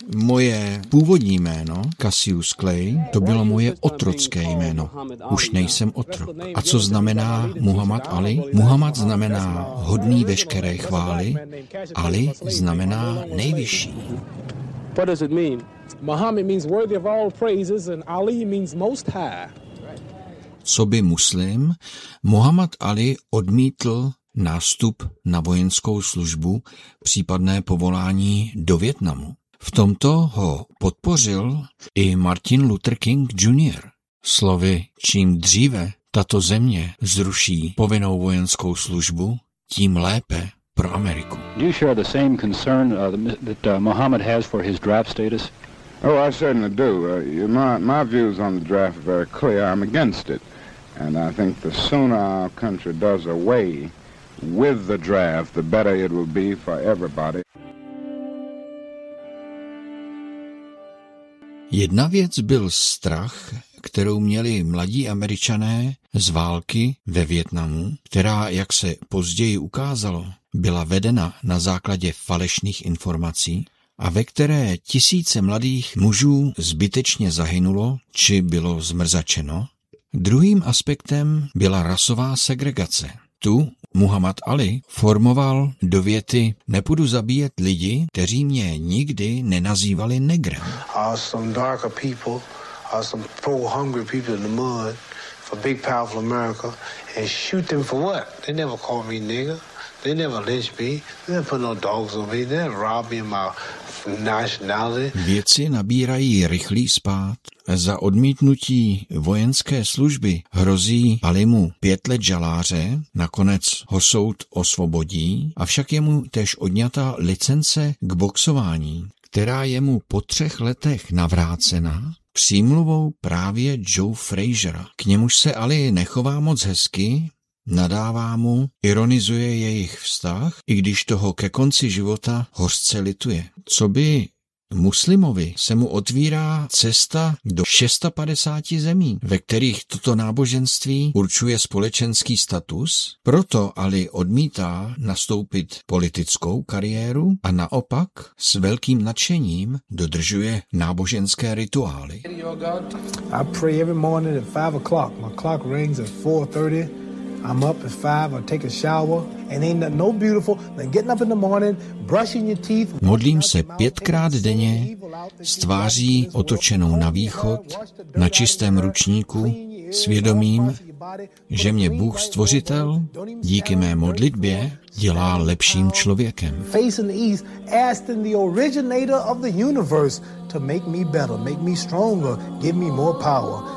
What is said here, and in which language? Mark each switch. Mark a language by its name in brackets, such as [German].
[Czech] Moje původní jméno, Cassius Clay, to bylo moje otrocké jméno. Už nejsem otrok. A co znamená Muhammad Ali? Muhammad znamená hodný veškeré chvály, Ali znamená nejvyšší. [English] What does it mean? Muhammad means worthy of all praises and Ali means most high. [Czech] Co by muslim, Muhammad Ali odmítl nástup na vojenskou službu, případné povolání do Vietnamu. V tomto ho podpořil i Martin Luther King Jr. Slovy, čím dříve tato země zruší povinnou vojenskou službu, tím lépe pro Ameriku. [English] Do you share the same concern that Muhammad has for his draft status? Oh, I certainly do. My views on the draft are very clear. I'm against it. And I think the sooner our country does away with the draft, the better it will be for everybody. [Czech] Jedna věc byl strach, kterou měli mladí Američané z války ve Vietnamu, která, jak se později ukázalo, byla vedena na základě falešných informací a ve které tisíce mladých mužů zbytečně zahynulo či bylo zmrzačeno. Druhým aspektem byla rasová segregace. Tu Muhammad Ali formoval do věty: nepůjdu zabíjet lidi, kteří mě nikdy nenazývali negrem. [English] Some darker people, some poor hungry people in the mud for big powerful America, and shoot them for what? They never call me nigger. They never lynch me. They never put no dogs on me. They never rob me of my nationality. [Czech] Věci nabírají rychlý spád. Za odmítnutí vojenské služby hrozí Alimu 5 let žaláře, nakonec ho soud osvobodí, avšak je mu též odňata licence k boxování, která je mu po 3 letech navrácena přímluvou právě Joe Frazera. K němuž se Ali nechová moc hezky, nadává mu, ironizuje jejich vztah, i když toho ke konci života hořce lituje. Co by muslimovi se mu otvírá cesta do 56 zemí, ve kterých toto náboženství určuje společenský status, proto Ali odmítá nastoupit politickou kariéru a naopak s velkým nadšením dodržuje náboženské rituály. [English] I pray every morning at 5 o'clock. My clock rings at 4:30. I'm up at 5, I take a shower, and ain't that no beautiful than getting up in the morning, brushing your teeth. [Czech] Modlím se 5krát denně, s tváří otočenou na východ, na čistém ručníku, svědomím, že mě Bůh Stvořitel díky mé modlitbě dělá lepším člověkem. [English] Facing the east, asking the originator of the universe to make me better, make me stronger, give me more power.